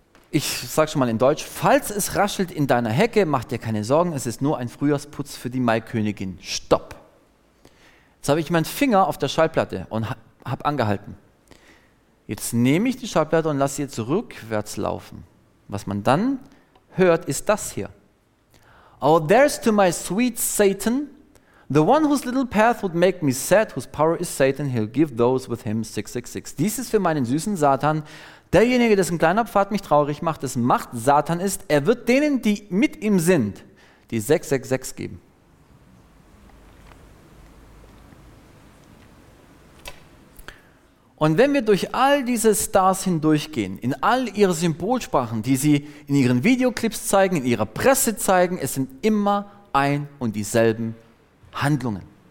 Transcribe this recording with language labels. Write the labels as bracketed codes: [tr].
[de] Ich sage schon mal in Deutsch, falls es raschelt in deiner Hecke, mach dir keine Sorgen, es ist nur ein Frühjahrsputz für die Maikönigin. Stopp. Jetzt habe ich meinen Finger auf der Schallplatte und habe angehalten. Jetzt nehme ich die Schallplatte und lasse sie jetzt rückwärts laufen. Was man dann hört, ist das hier. [en] Oh, there's to my sweet Satan, the one whose little path would make me sad, whose power is Satan, he'll give those with him 666. [de] Dies ist für meinen süßen Satan, derjenige, dessen kleiner Pfad mich traurig macht, dessen Macht Satan ist, er wird denen, die mit ihm sind, die 666 geben. Und wenn wir durch all diese Stars hindurchgehen, in all ihre Symbolsprachen, die sie in ihren Videoclips zeigen, in ihrer Presse zeigen, es sind immer ein und dieselben Handlungen.